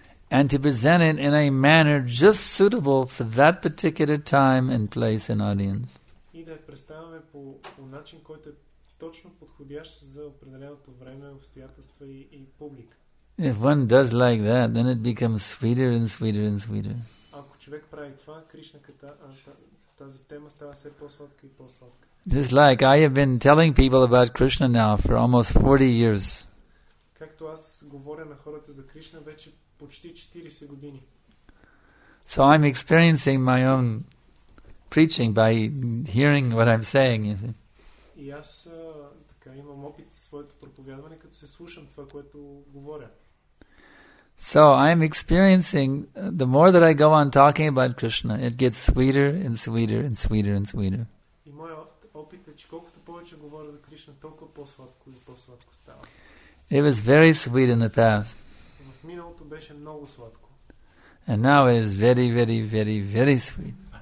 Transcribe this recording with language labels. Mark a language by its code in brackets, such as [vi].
[en] And to present it in a manner just suitable for that particular time and place and audience. [bg] И да представяме по начин, който е точно подходящ за определеното време, обстоятелства и публика. [en] If one does like that, then it becomes sweeter and sweeter and sweeter. [bg] Ако човек прави това, Кришната тази тема става все по-сладка и по-сладка. [en] Just like I have been telling people about Krishna now for almost 40 years. [bg] Както аз говоря на хората за Кришна вече почти 40 години. [en] So I'm experiencing my own preaching by hearing what I'm saying, you see. [bg] И аз така имам опит със своето проповядване, като се слушам това, което говоря. [en] So I'm experiencing the more that I go on talking about Krishna, it gets sweeter and sweeter and sweeter and sweeter. [bg] И моят опит е, че колкото повече говоря за Кришна, толкова по-сладко и по-сладко става. [en] It was very sweet in the past. [bg] В миналото беше много сладко. [en] And now it is very, very, very, very sweet.